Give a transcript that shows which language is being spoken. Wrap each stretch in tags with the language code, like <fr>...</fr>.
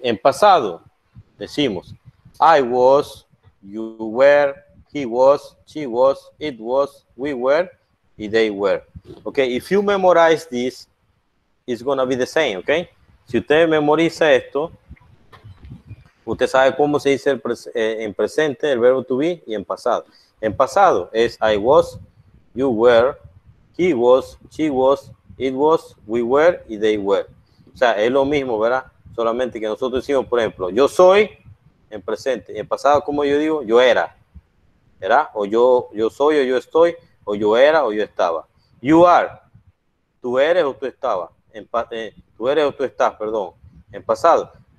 <es>En pasado decimos</es> <en>I was, you were, he was, she was, it was, we were y they were. Ok, if you memorize this, it's going to be the same, ¿ok?</en> <es>Si usted memoriza esto, usted sabe cómo se dice en presente el verbo to be y en pasado. En pasado es</es> <en>I was, you were, he was, she was, it was, we were y they were.</en> <es>O sea, es lo mismo, ¿verdad? Solamente que nosotros decimos, por ejemplo, yo soy en presente. En pasado, como yo digo, yo era, ¿verdad? O yo soy o yo estoy, o yo era o yo estaba.</es> <en>You are,</en> <es>tú eres o tú estabas. Tú eres o tú estás, perdón, en pasado.</es>